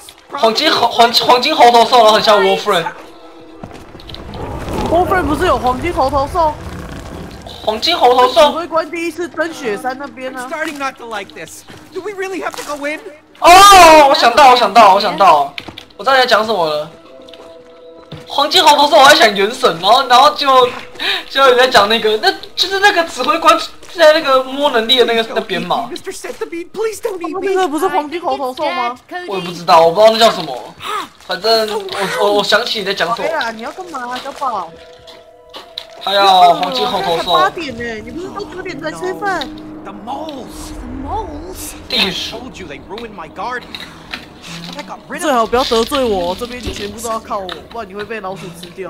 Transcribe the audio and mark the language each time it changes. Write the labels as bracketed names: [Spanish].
[Chinese] 黄金猴头兽，然后很像 Warframe。 Warframe 不是有黄金猴头兽？黄金猴头兽指挥官第一次登雪山那边呢。 [English] I'm starting not to like this. Do we really have to go in? [Chinese] 哦、oh, ，我想到，我知道你在讲什么了。黄金猴头兽，我在想原神，然后就你在讲那个，那就是那个指挥官在那个摸能力的那边嘛。 [English] Mr. Setsubi, please don't eat me. [Chinese] 那个不是黄金猴头兽吗？我也不知道，我不知道那叫什么。反正我想起你在讲什么。哎呀，你要干嘛，小宝？哎呀，黄金猴头兽！八点呢，你不是到九点才吃饭 ？ [English] The moles, the moles. I told you they ruined my garden. [Chinese] 最好不要得罪我，这边全部都要靠我，不然你会被老鼠吃掉。